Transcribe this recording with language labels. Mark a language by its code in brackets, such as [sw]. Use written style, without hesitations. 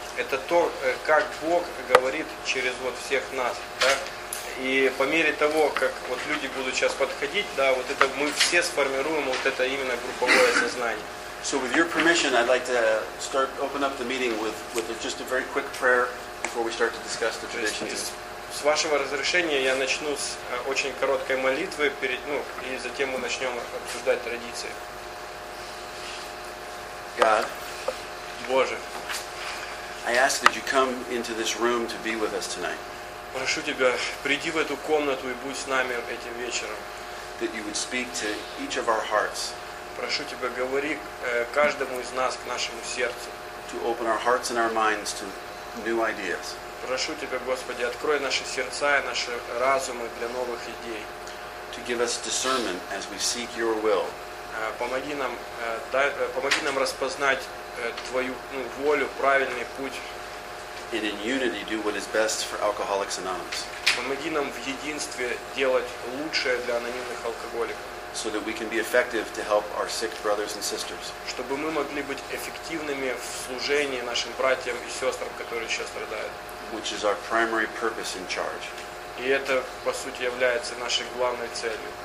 [ru] Это то, как Бог говорит через вот всех нас. Да? И по мере того, как вот люди будут сейчас подходить, да, вот это мы все сформируем вот это именно групповое сознание. [en] So with your permission, I'd like to start open up the meeting with just a very quick prayer before we start to discuss the traditions. [ru] С вашего разрешения я начну с очень короткой молитвы перед, ну, и затем мы начнем обсуждать традиции. [en] God, [ru] Боже, [en] I ask that you come into this room to be with us tonight. [ru] Прошу тебя, приди в эту комнату и будь с нами этим вечером. [en] That you would speak to each of our hearts. [ru] Прошу тебя, говори каждому из нас к нашему сердцу. [en] To open our hearts and our minds to new ideas. [ru] Прошу тебя, Господи, открой наши сердца и наши разумы для новых идей. [en] To give us discernment as we seek your will. [ru] Помоги нам распознать твою волю, правильный путь. [en] And in unity do what is best for Alcoholics Anonymous. [ru] Помоги нам в единстве делать лучшее для анонимных алкоголиков. [en] So that we can be effective to help our sick brothers and sisters. [ru] Чтобы мы могли быть эффективными в служении нашим братьям и сестрам, которые сейчас страдают. [en] Which is our primary purpose in charge. [ru] И это, по сути, является нашей главной целью.